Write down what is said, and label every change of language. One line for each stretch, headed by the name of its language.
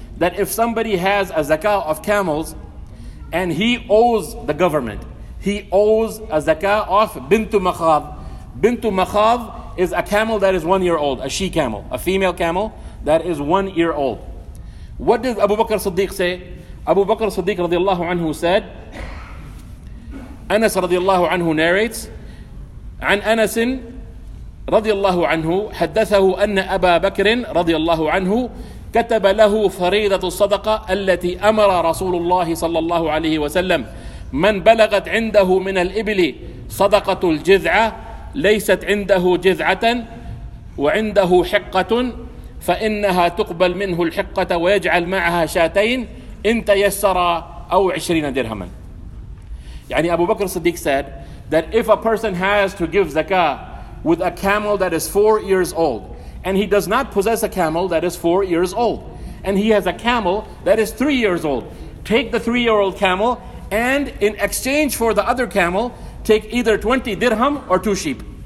English: That if somebody has a zakah of camels and he owes the government, he owes a zakah of بنت مخاض. بنت مخاض is a camel that is 1 year old, a she camel, a female camel that is 1 year old. What did Abu Bakr Siddiq say? Abu Bakr Siddiq رضي الله عنه said, Anas رضي الله عنه narrates,
Arabic: عن أنس رضي الله عنه حدثه أن أبا بكر رضي الله عنه كتب له فريضة الصدقة التي أمر رسول الله صلى الله عليه وسلم من بلغت عنده من الإبل صدقة الجذعة ليست عنده جذعة وعنده حقة فإنها تقبل منه الحقة ويجعل معها شاتين إن تيسر أو 20 درهما. يعني أبو بكر الصديق
English: said that if a person has to give zakah with a camel that is 4 years old, and he does not possess a camel that is 4 years old, and he has a camel that is 3 years old, take the 3 year old camel, and in exchange for the other camel, take either 20 dirham or 2 sheep.